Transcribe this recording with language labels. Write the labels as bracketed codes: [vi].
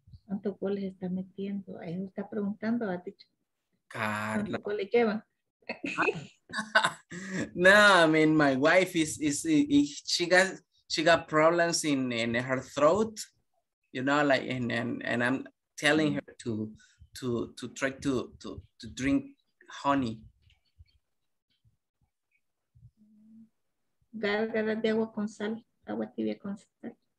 [es] ¿Cuántos goles está metiendo? Ahí está preguntando, ha dicho. Carla. ¿Cuántos goles lleva? [en] No, I mean my wife is she got problems in her throat, you know, like and I'm telling her to try to drink honey. [es] Gárgara de agua con sal, agua tibia con sal.